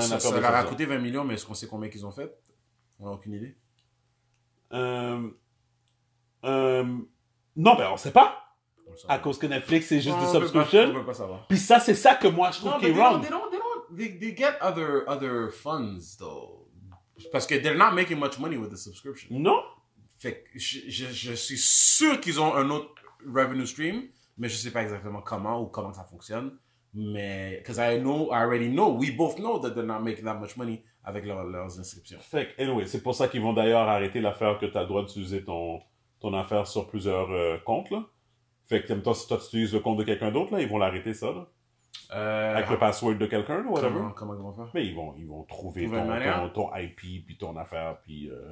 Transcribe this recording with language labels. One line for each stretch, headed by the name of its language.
French: Ça leur a coûté 20 millions, mais est-ce qu'on sait combien qu'ils ont fait? On n'a aucune idée. Non, ben on ne sait pas. À cause que Netflix, c'est juste des subscriptions. On ne peut pas savoir. Puis ça, c'est ça que moi, je trouve qui est wrong.
English: They get other funds, though.
French: Parce que
English: they're not making much money with the subscription.
French: Non. Fait que je suis sûr qu'ils ont un autre revenue stream, mais je sais pas exactement comment ou comment ça fonctionne.
English: Mais, because I already know, we both know that they're not making that much money
French: avec leurs inscriptions. Fait que, anyway, c'est pour ça qu'ils vont d'ailleurs arrêter l'affaire que t'as le droit d'utiliser ton affaire sur plusieurs comptes, là. Fait que, en même temps, si toi tu utilises le compte de quelqu'un d'autre, là, ils vont l'arrêter, ça, là. Avec le password de quelqu'un, ou whatever. Comment ils vont faire? Mais ils vont trouver ton IP, puis ton affaire, puis.